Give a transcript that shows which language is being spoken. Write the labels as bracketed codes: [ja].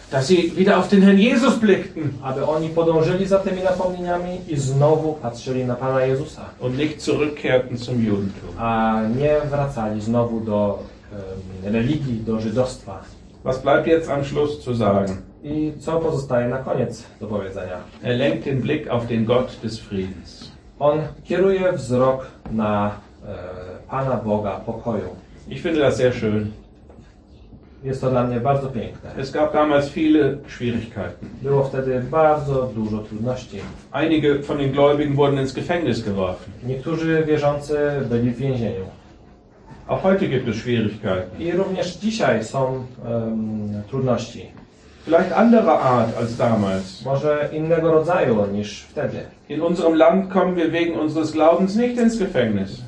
[de] Dass sie wieder auf den Herrn Jesus blickten. [pl] Aby oni podążyli za tymi napomnieniami i znowu patrzyli na Pana Jezusa. [de] Und nicht zurückkehrten zum Judentum. [pl] A nie wracali znowu do religii, do żydostwa. [de] Was bleibt jetzt am Schluss zu sagen? [pl] I co pozostaje na koniec do powiedzenia? [de] Er lenkt den Blick auf den Gott des Friedens. [pl] On kieruje wzrok na Pana Boga pokoju. [de] Ich finde das sehr schön. [pl] Jest to dla mnie bardzo piękne. [de] Es gab damals viele Schwierigkeiten. [pl] Było wtedy bardzo dużo trudności. [de] Einige von den Gläubigen wurden ins Gefängnis geworfen. [pl] Niektórzy wierzący byli w więzieniu. [de] Auch heute gibt es Schwierigkeiten. [pl] I również dzisiaj są trudności. [de] Vielleicht anderer Art als damals. [pl] Może innego rodzaju niż wtedy. [de] In unserem Land kommen wir wegen unseres Glaubens nicht ins Gefängnis.